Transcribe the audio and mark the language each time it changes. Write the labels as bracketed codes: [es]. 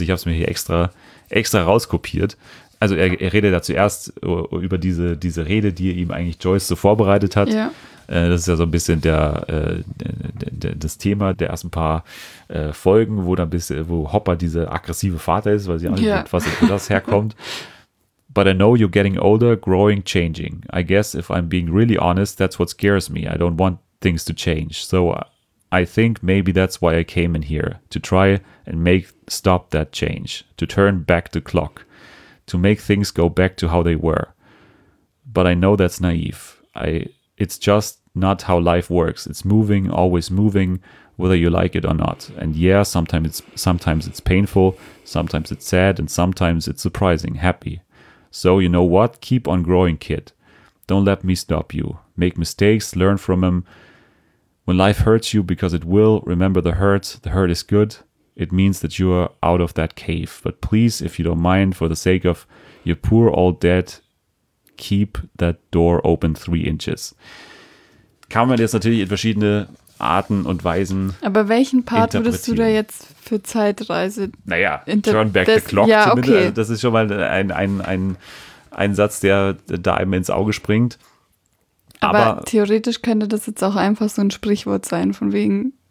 [de] Ich habe es mir hier extra rauskopiert. Also er redet da zuerst über diese Rede, die ihm eigentlich Joyce so vorbereitet hat. Ja. Das ist ja so ein bisschen das Thema der ersten paar Folgen, wo Hopper dieser aggressive Vater ist, weil sie auch nicht wissen, wo das herkommt. [en] But I know you're getting older, growing, changing. I guess if I'm being really honest, that's what scares me. I don't want things to change. So I think maybe that's why I came in here, to try and stop that change, to turn back the clock. To make things go back to how they were. But I know that's naive. It's just not how life works. It's moving, always moving, whether you like it or not. And yeah, sometimes it's painful, sometimes it's sad, and sometimes it's surprising, happy. So you know what? Keep on growing, kid. Don't let me stop you. Make mistakes, learn from them. When life hurts you, because it will, remember the hurt is good. It means that you are out of that cave. But please, if you don't mind, for the sake of your poor old dad, keep that door open 3 inches. [de] Kann man jetzt natürlich in verschiedene Arten und Weisen. Aber welchen Part würdest du da jetzt für Zeitreise? Naja, [en] turn back the clock [de] zumindest. Okay. Also das ist schon mal ein Satz, der da einem ins Auge springt. Aber theoretisch könnte das jetzt auch einfach so ein Sprichwort sein, von wegen.